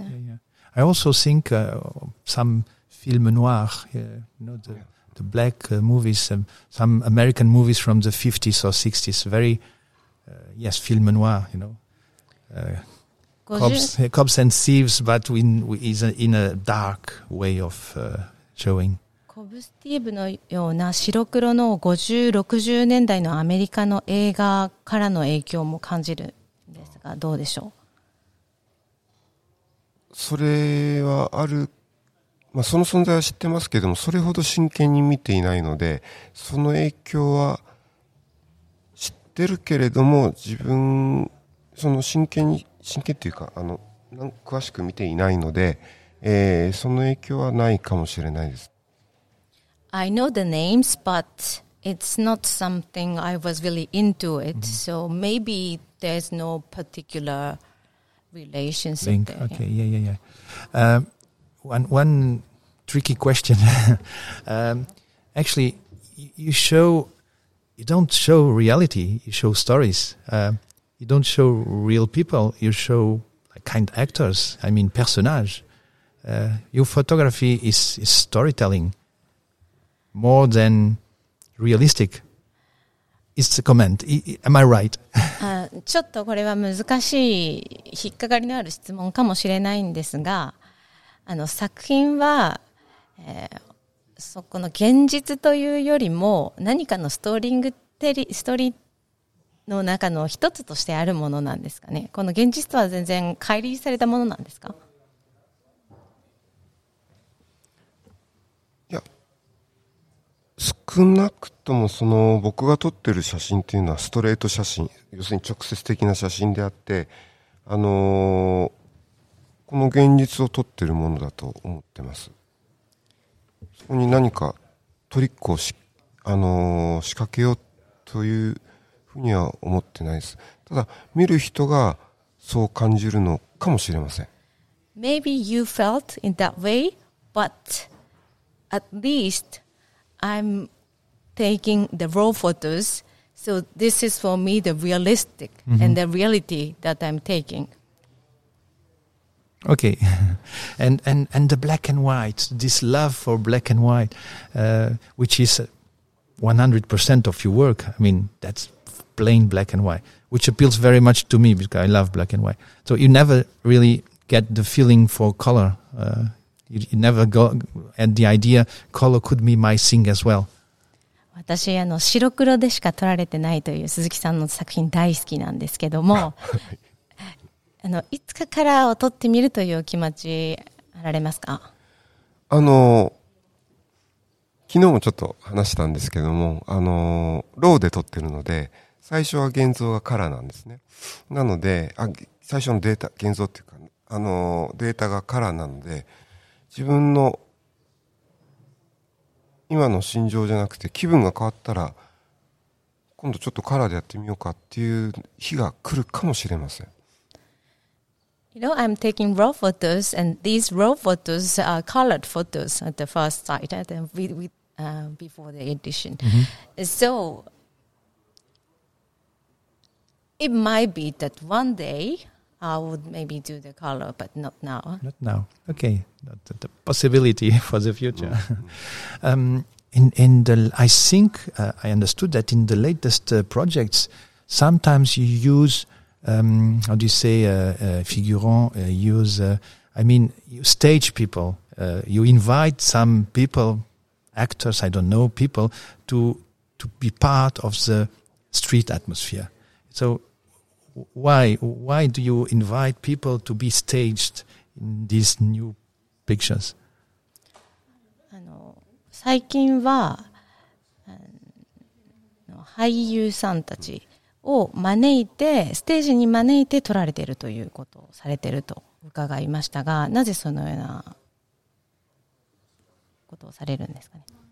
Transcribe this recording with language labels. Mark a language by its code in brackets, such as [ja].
[en] yeah, yeah. I also think someffilm noir, you know, the black movies, some American movies from the 50s or 60s, very, yes, film noir, you know. Cops and thieves, but in a dark way of showing. [ja] コブスティーブのような白黒の50、60年代のアメリカの映画からの影響も感じるんですが、どうでしょう。それはあるか。まあ、その存在は知ってますけれども、それほど真剣に見ていないので、その影響は知ってるけれども、自分その真剣というか詳しく見ていないので、その影響はないかもしれないです。 [en] I know the names but it's not something I was really into it、mm-hmm. so maybe there's no particular relationship link there. Okay, yeah, yeah, yeah. One tricky question. actually, you don't show reality, you show stories. you don't show real people, you show kind actors, I mean personage. Your photography is storytelling more than realistic. It's a comment. Am I right? [ja] ちょっとこれは難しい引っかかりのある質問かもしれないんですが、あの作品は、そこの現実というよりも何かのストーリングテリストーリーの中の一つとしてあるものなんですかね。この現実とは全然乖離されたものなんですか。いや、少なくともその僕が撮ってる写真っていうのはストレート写真、要するに直接的な写真であって、この現実を撮ってるものだと思ってます。そこに何かトリックをし、仕掛けようというふうには思ってないです。ただ見る人がそう感じるのかもしれません。 [en] Maybe you felt in that way, but at least I'm taking the raw photos, so this is for me the realistic、mm-hmm. and the reality that I'm taking. Okay. and the black and white, this love for black and white, which is 100% of your work, I mean, that's plain black and white, which appeals very much to me because I love black and white. So you never really get the feeling for color. You never go at the idea color could be my thing as well. [ja] 私あの白黒でしか撮られてないという鈴木さんの作品大好きなんですけどもあのいつかカラーを撮ってみるという気持ちあられますか。あの昨日もちょっと話したんですけども、あのローで撮ってるので最初は現像がカラーなんですね。なので、あ、最初のデータ現像っていうか、あのデータがカラーなので、自分の今の心情じゃなくて気分が変わったら今度ちょっとカラーでやってみようかっていう日が来るかもしれません。 [en] You know, I'm taking raw photos and these raw photos are colored photos at the first sight at the, with, before the edition、mm-hmm. So it might be that one day I would maybe do the color but not now. Not now. Okay. The possibility for the future. Mm-hmm. I understood that in the latest projects, sometimes you use, how do you say, figurant, you stage people. You invite some people, actors, I don't know, people, to be part of the street atmosphere. So why do you invite people to be staged in these new pictures? [ja] あの最近は、俳優さんたちを招いてステージに招いて撮られているということをされていると伺いましたが、なぜそのようなことをされるんですかね。